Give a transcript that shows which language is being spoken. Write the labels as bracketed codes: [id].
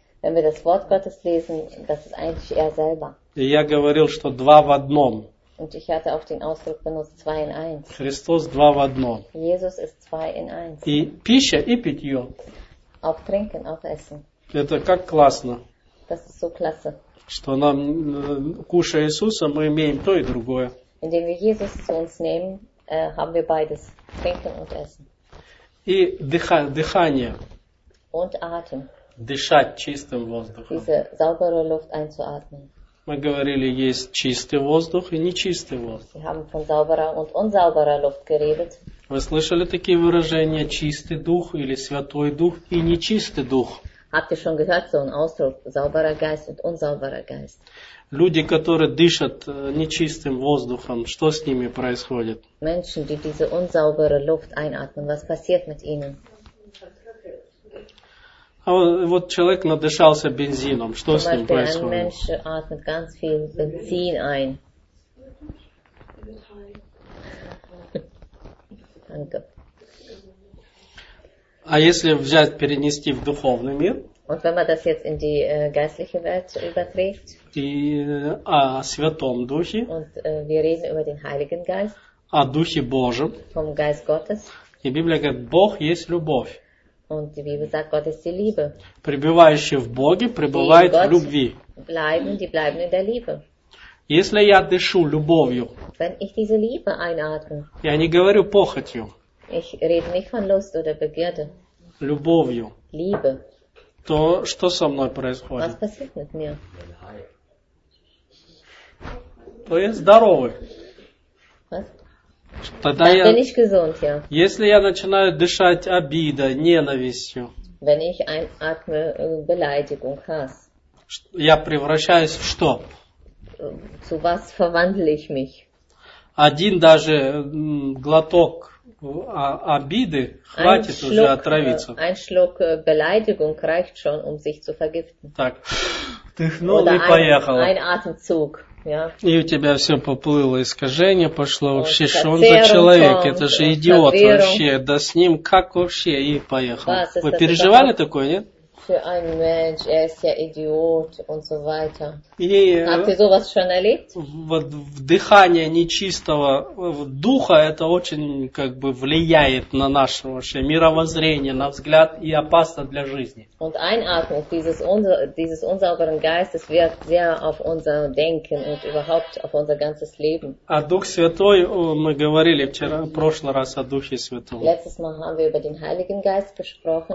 [de] Wenn wir das Wort Gottes lesen, das ist eigentlich er selber. [ru] И я говорил, что два в одном. [de] Und ich hatte auch den Ausdruck benutzt, zwei in eins. [ru] Христос два в одном. [de] Jesus ist zwei in eins. [ru] И пища, и питье. [de] Auch trinken, auch essen. [ru] Это как классно. [de] Das ist so klasse. [ru] Что нам, кушая Иисуса, мы имеем то и другое. [de] Indem wir Jesus zu uns nehmen, haben wir beides, trinken und essen. [ru] И дыхание. [de] Und Atem. [ru] Дышать чистым воздухом. [de] Diese saubere Luft einzuatmen. [ru] Мы говорили, есть чистый воздух и нечистый воздух. [de] Wir haben von sauberer und unsauberer Luft geredet. [ru] Вы слышали такие выражения, чистый дух или святой дух и нечистый дух? [de] Habt ihr schon gehört so einen Ausdruck, sauberer Geist und unsauberer Geist? [ru] Люди, которые дышат нечистым воздухом, что с ними происходит? [de] Menschen, die diese unsaubere Luft einatmen, was passiert mit ihnen? [ru] А вот человек надышался бензином. Что [de] zum [ru] с ним происходит? [de] Ein Mensch atmet ganz viel Benzin ein. Danke. [ru] А если взять, перенести в духовный мир? [de] Und wenn man das jetzt in die geistliche Welt überträgt? [ru] О Святом Духе. [de] Und wir reden über den Heiligen Geist. [ru] О Духе Божьем. [de] Vom Geist Gottes. [ru] И Библия говорит, Бог есть любовь. [de] Und die Bibel sagt, Gott ist die Liebe. [ru] Пребывающие в Боге пребывают в любви. [de] Bleiben, die bleiben in der Liebe. [ru] Если я дышу любовью, [de] wenn ich diese Liebe einatme, [ru] я не говорю похотью, [de] ich rede nicht von Lust oder Begierde, [ru] любовью, [de] Liebe, [ru] то что со мной происходит? [de] Was passiert mit mir? [ru] То я здоровый. [de] Was? [ru] тогда я, [de] bin ich gesund, ja. [ru] Если я начинаю дышать обидой, ненавистью, [de] wenn ich einatme, Beleidigung, Hass, [ru] я превращаюсь в что? [de] Zu was verwandle ich mich? [ru] Один даже глоток обиды хватит [de] ein [ru] уже [de] Schluck, [ru] отравиться. [de] Ein Schluck Beleidigung reicht schon, um sich zu vergiften. [ru] Так, вдохнул и поехал. [de] Ein Atemzug. [ru] И у тебя все поплыло, искажение пошло, вообще, что он за человек, это же идиот вообще, да с ним как вообще, и поехал. Вы переживали такое, нет? [de] Für einen Mensch, er ist ja Idiot und so weiter. [ru] И, [de] habt ihr sowas schon erlebt? [ru] Вот вдыхание нечистого духа, это очень как бы влияет на наше вообще мировоззрение, на взгляд и опасно для жизни. [de] Und Einatmung dieses unsauberen Geistes wirkt sehr auf unser Denken und überhaupt auf unser ganzes Leben. [ru] А Дух Святой, мы говорили вчера, в прошлый раз о Духе Святом. [de] Letztes Mal haben wir über den Heiligen Geist gesprochen.